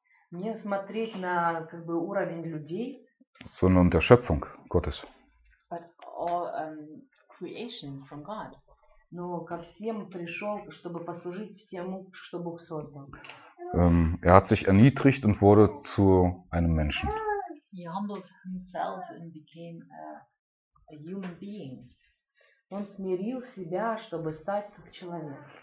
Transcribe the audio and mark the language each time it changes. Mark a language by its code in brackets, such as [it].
[ru] Не смотреть на как бы уровень людей. [de] Sondern der Schöpfung Gottes. [en] But all creation from God. [ru] Но ко всем пришел, чтобы послужить всему, что Бог создал. [de] Er hat sich erniedrigt und wurde zu einem Menschen. [en] He humbled himself and became a human being. [ru] Он смирил себя, чтобы стать как человек.